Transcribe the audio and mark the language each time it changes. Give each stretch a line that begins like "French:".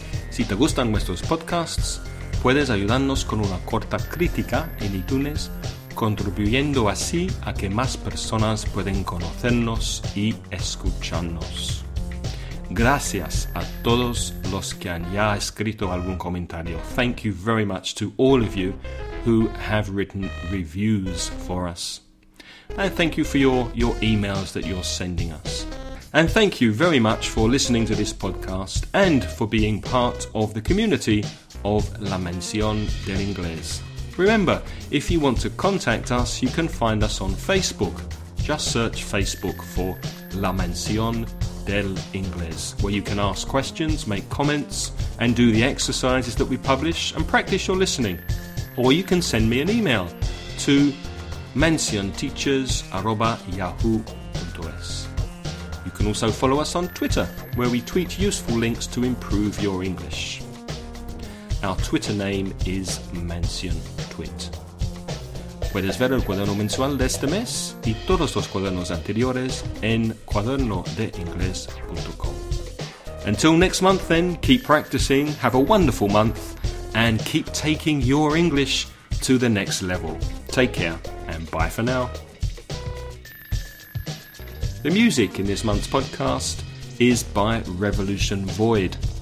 Spanish: Si te gustan nuestros podcasts, puedes ayudarnos con una corta crítica en iTunes, contribuyendo así a que más personas pueden conocernos y escucharnos. Gracias a todos los que han ya escrito algún comentario.
English: Thank you very much to all of you who have written reviews for us. And thank you for your emails that you're sending us. And thank you very much for listening to this podcast and for being part of the community of La Mención del Inglés. Remember, if you want to contact us, you can find us on Facebook. Just search Facebook for La Mención del Inglés, where you can ask questions, make comments, and do the exercises that we publish and practice your listening. Or you can send me an email to mencionteachers@yahoo.es. You can also follow us on Twitter, where we tweet useful links to improve your English. Our Twitter name is MencionTwit.
Spanish: Puedes ver el cuaderno mensual de este mes y todos los cuadernos anteriores en cuadernodeingles.com.
English: Until next month then, keep practicing, have a wonderful month, and keep taking your English to the next level. Take care and bye for now. The music in this month's podcast is by Revolution Void.